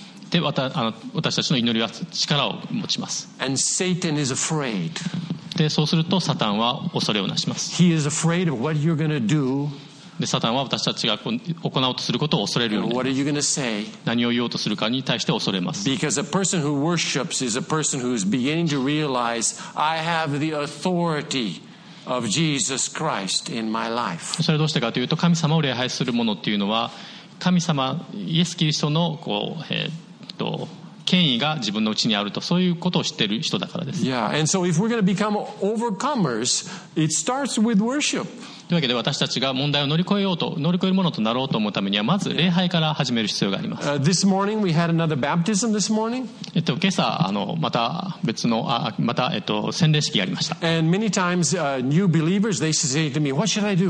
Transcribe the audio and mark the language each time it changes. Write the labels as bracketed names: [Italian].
[Japanese] で、私たちの祈りは力を持ちます。 [English] And Satan is afraid. [Japanese] で、そうするとサタンは恐れをなします。 He is afraid of what you're going to do. で、サタンは私たちが行おうとすることを恐れるようになります。何を言おうとするかに対して恐れます。 [English] Because a person who worships is a person who is beginning to realize I have the authority of Jesus Christ in my life. [Japanese] それどうしてかというと、神様を礼拝する者っていうのは、神様、イエス・キリストのこう、権権威が自分のうちにあると、そういうことを知っている人だからです。 [English] Yeah, and so if we're going to become overcomers, it starts with worship. [Japanese] というわけで、私たちが問題を乗り越えようと、乗り越えるものとなろうと思うためには、まず礼拝から始める必要があります。 [English] This morning we had another baptism this morning. [Japanese] 今朝また別の洗礼式やりました。 [English] And many times, new believers, they say to me, what should I do?